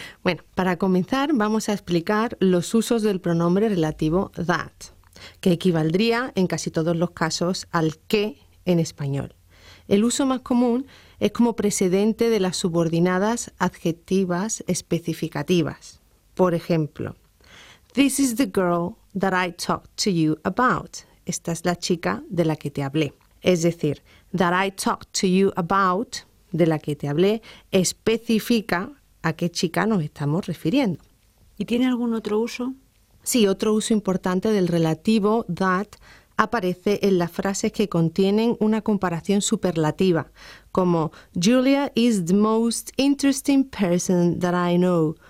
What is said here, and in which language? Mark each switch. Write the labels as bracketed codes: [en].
[es] Bueno, para comenzar vamos a explicar los usos del pronombre relativo that, que equivaldría en casi todos los casos al que en español. El uso más común es como precedente de las subordinadas adjetivas especificativas. [en] Por ejemplo, this is the girl that I talked to you about. [es] Esta es la chica de la que te hablé. Es decir, [en] that I talked to you about, [es] de la que te hablé, especifica a qué chica nos estamos refiriendo. ¿Y tiene algún otro uso? Sí, otro uso importante del relativo that aparece en las frases que contienen una comparación superlativa, como [en] Julia is the most interesting person that I know.